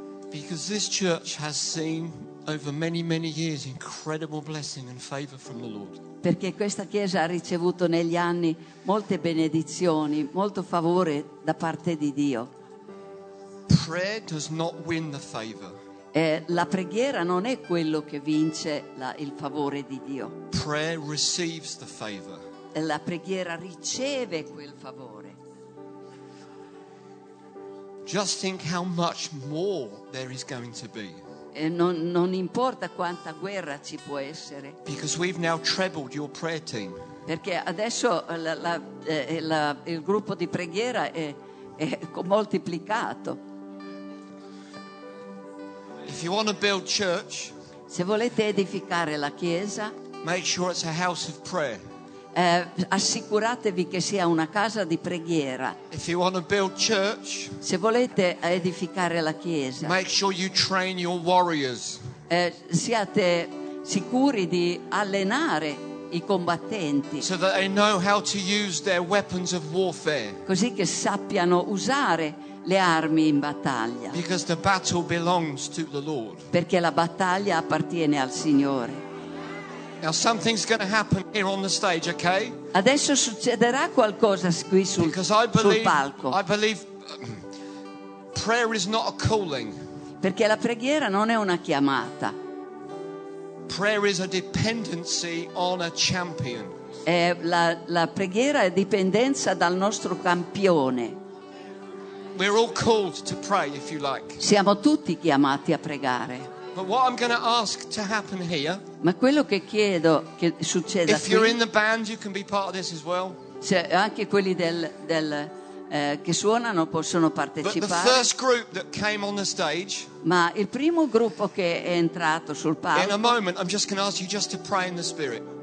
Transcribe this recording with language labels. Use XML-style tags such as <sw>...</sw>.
<en>Because this church has seen over many, many years incredible blessing and favor from the Lord.</en> <it>Perché questa chiesa ha ricevuto negli anni molte benedizioni, molto favore da parte di Dio.</it> <en>Prayer does not win the favor.</en> <it>La preghiera non è quello che vince il favore di Dio.</it> <en>Prayer receives the favor.</en> <it>La preghiera riceve quel favore.</it> <en>Just think how much more there is going to be.</en> <it>E non importa quanta guerra ci può essere.</it> <en>Because we've now trebled your prayer team.</en> <it>perché adesso il gruppo di preghiera è moltiplicato.</it> <en>If you want to build church,</en> <it>se volete edificare la chiesa,</it> <en>make sure it's a house of prayer.</en> <it>Assicuratevi che sia una casa di preghiera.</it> <en>If you want to build church,</en> <it>se volete edificare la chiesa,</it> <en>make sure you train your warriors.</en> <it>Siate sicuri di allenare i combattenti.</it> <en>So that they know how to use their weapons of warfare.</en> <it>Così che sappiano usare le armi in battaglia.</it> <en>Because the battle belongs to the Lord.</en> <it>Perché la battaglia appartiene al Signore.</it> <en>Now something's going to happen here on the stage, okay?</en> <it>Adesso succederà qualcosa qui sul palco.</it> <en>Because I believe, prayer is not a calling.</en> <it>Perché la preghiera non è una chiamata.</it> <en>Prayer is a dependency on a champion.</en> <it>È la preghiera è dipendenza dal nostro campione.</it> <en>We're all called to pray, if you like.</en> <it>Siamo tutti chiamati a pregare.</it> <en>But what I'm going to ask to happen here?</en> <it>Ma quello che chiedo che succeda.</it> <en>If you're in the band, you can be part of this as well.</en> <it>Se anche quelli che suonano possono partecipare.</it> <en>But the first group that came on the stage.</en> <it>Ma il primo gruppo che è entrato sul palco.</it> <en>In a moment, I'm just going to ask you just to pray in the spirit.</en>